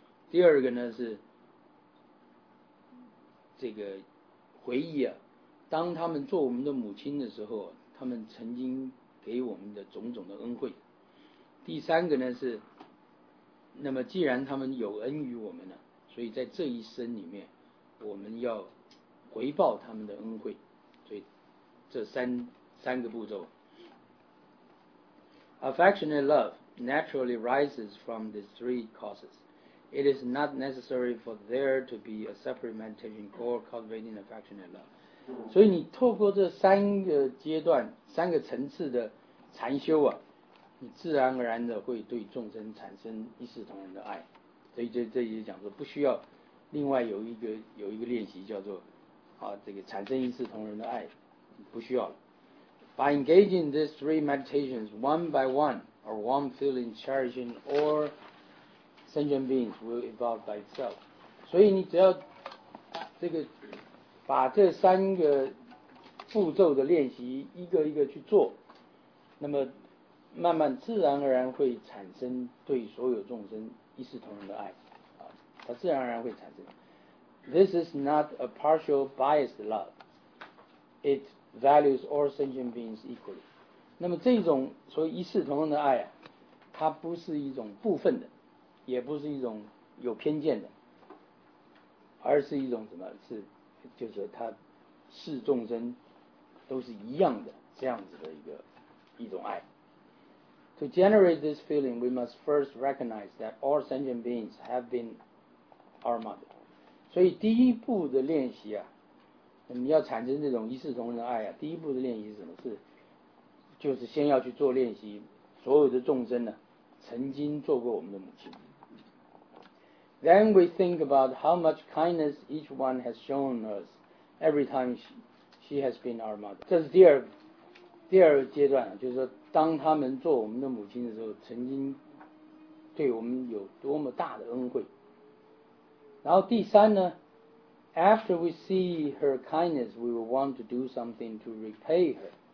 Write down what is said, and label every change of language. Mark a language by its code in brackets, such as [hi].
[zh] 第二个呢是这个回忆啊，当他们做我们的母亲的时候，他们曾经给我们的种种的恩惠。第三个呢是，那么既然他们有恩于我们了，所以在这一生里面我们要回报他们的恩惠。所以这三个步骤。 [en] Affectionate love naturally rises from these three causes. It is not necessary for there to be a separate meditation called cultivating affectionate love. [zh] 所以你透过这三个阶段、三个层次的禅修啊，你自然而然的会对众生产生一视同仁的爱。所以这也讲说不需要另外有一个练习叫做啊这个产生一视同仁的爱，不需要了。 [en] By engaging these three meditations one by one, our warm feeling, cherishing, or sentient beings will evolve by itself. [zh] 所以你只要这个把这三个步骤的练习一个一个去做，那么慢慢自然而然会产生对所有众生一视同仁的爱，它自然而然会产生。 [en] This is not a partial biased love. It values all sentient beings equally. [zh] 那么这种所谓一视同仁的爱啊，它不是一种部分的，也不是一种有偏见的，而是一种什么？是，就是它视众生都是一样的这样子的一种爱。 [en] To generate this feeling, we must first recognize that all sentient beings have been our mother. [zh] 所以第一步的练习啊，你要产生这种一视同仁的爱啊，第一步的练习是什么？是，就是先要去做练习，所有的众生呢，曾经做过我们的母亲。 [en] Then we think about how much kindness each one has shown us every time she has been our mother. [zh] 这是第二阶段，就是说当他们做我们的母亲的时候，曾经对我们有多么大的恩惠。然后第三呢， [en] after we see her kindness, we will want to do something to repay her.